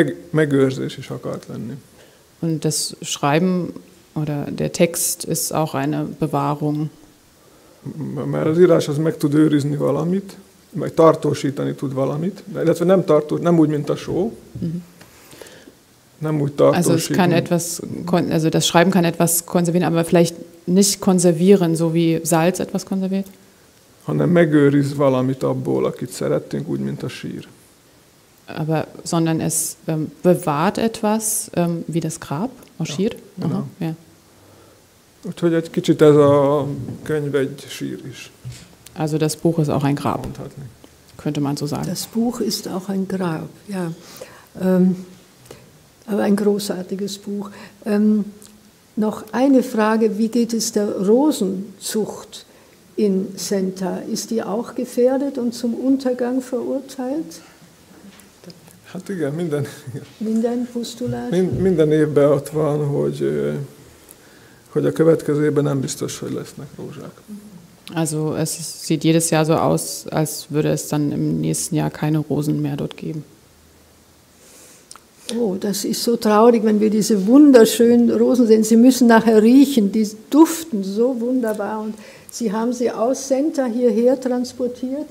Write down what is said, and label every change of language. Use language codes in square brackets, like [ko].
[hu] megőrzés is akart lenni. [de] Und das Schreiben oder der Text ist auch eine Bewahrung. [hu] Mert az írás az meg tud őrizni valamit, meg tartósítani tud valamit, illetve nem tartós, nem úgy, mint a só. Nem úgy tartósítani. [de] Also es kann etwas, also das Schreiben kann etwas konservieren, aber vielleicht nicht konservieren, so wie Salz etwas konserviert. [hu] Hanem megőriz valamit abból, akit szerettünk, úgy, mint a sír. [de] Aber, sondern es bewahrt etwas, wie das Grab, [hu] a sír. [de] Ja, genau. Ja. [hu] Úgyhogy egy kicsit ez a könyv egy sír is. [de] Also das Buch ist auch ein Grab, könnte man so sagen. Das Buch ist auch ein Grab, ja. Aber ein großartiges Buch. Noch eine Frage, wie geht es der Rosenzucht in Senta? Ist die auch gefährdet und zum Untergang verurteilt? [hu] Hát igen, minden, minden pusztulás? Minden évben ott van, hogy a következő évben nem biztos, hogy lesznek rózsák. [de] Also es sieht jedes Jahr so aus, als würde es dann im nächsten Jahr keine Rosen mehr dort geben. Oh, das ist so traurig, wenn wir diese wunderschönen Rosen sehen. Sie müssen nachher riechen, die duften so wunderbar. Und Sie haben sie aus Senta hierher transportiert?